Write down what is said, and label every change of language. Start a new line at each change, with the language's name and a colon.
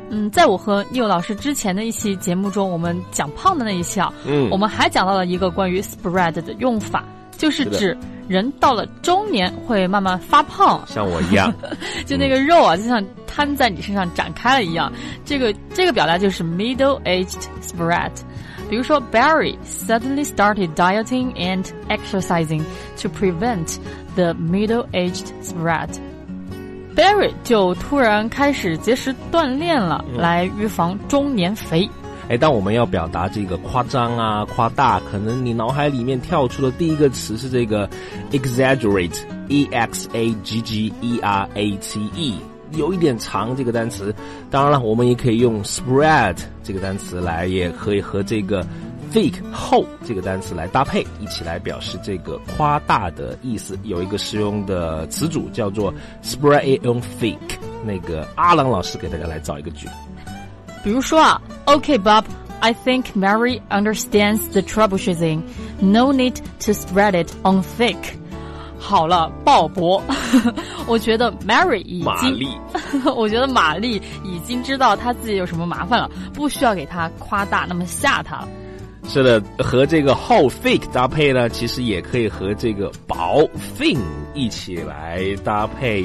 Chinese: 在我和Neil老师之前的一期节目中，我们讲胖的那一期啊，我们还讲到了一个关于 spread 的用法，就是指人到了中年会慢慢发胖，像我一样就那个肉啊，就像摊在你身上展开了一样。这个表达就是
English: middle-aged spread。
Chinese: 比如说
English: Barry suddenly started dieting and exercising to prevent the middle-aged spread。
Chinese: Barry 就突然开始节食锻炼了，来预防中年肥。当我们要表达这个夸张啊、夸大，可能你脑海里面跳出的第一个词是这个 exaggerate, E-X-A-G-G-E-R-A-T-E, 有一点长这个单词。当然了，我们也可以用 spread 这个单词来，也可以和这个 thick, 厚这个单词来搭配，一起来表示这个夸大的意思。有一个实用的词组叫做
English: spread it on thick,
Chinese: 那个阿朗老师给大家来找一个句。比如说啊，
English: OK Bob, I think Mary understands the trouble she's in, no need to spread it on thick.
Chinese: 好了鲍勃，我觉得 Mary 已经玛丽我觉得玛丽已经知道她自己有什么麻烦了，不需要给她夸大那么吓她了。是的，和这个厚 thick 搭配呢，其实也可以和这个薄 thin 一起来搭配。